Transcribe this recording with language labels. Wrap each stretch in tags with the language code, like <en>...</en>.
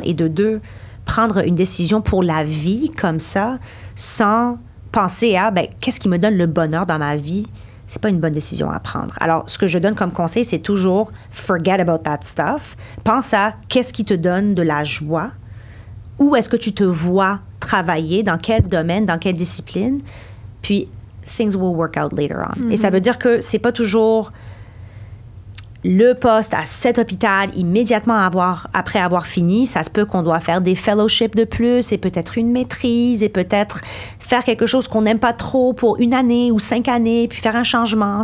<fr>Et de deux, prendre une décision pour la vie comme ça, sans penser à qu'est-ce qui me donne le bonheur dans ma vie. C'est pas une bonne décision à prendre. Alors, ce que je donne comme conseil, c'est toujours «</fr> <en>forget about that stuff ».</en> <fr>Pense à qu'est-ce qui te donne de la joie. Où est-ce que tu te vois travailler? Dans quel domaine? Dans quelle discipline? Puis,</fr> <en>things will work out later on.</en> <fr>Mm-hmm. Et ça veut dire que c'est pas toujours le poste à cet hôpital immédiatement après avoir fini. Ça se peut qu'on doit faire des fellowships de plus et peut-être une maîtrise et peut-être faire quelque chose qu'on n'aime pas trop pour une année ou 5 années, puis faire un changement.</fr>